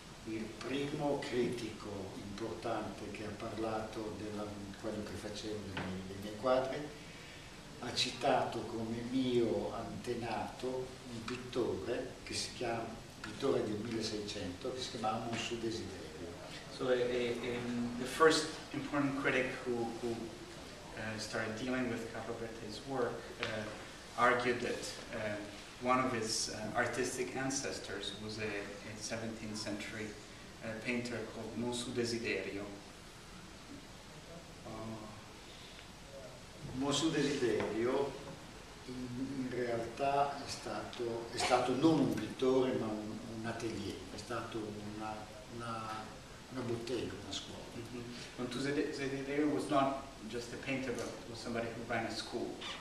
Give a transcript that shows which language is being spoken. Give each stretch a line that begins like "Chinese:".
Italian: Il primo critico importante che ha parlato di quello che facevo nei miei quadri ha citato come mio antenato un pittore che si chiama pittore del 1600 che si chiamava Monsieur Desiderio.
English: So the first important critic who started dealing with Carlo Berti's work argued that one of his artistic ancestors was a 17th century painter called Monsieur Desiderio.
Italian: Monsieur Desiderio in realtà è stato non un pittore ma un atelier, è stato una bottega, una scuola. Mm-hmm.
English: Monsieur Desiderio was not just a painter but was somebody who ran a school.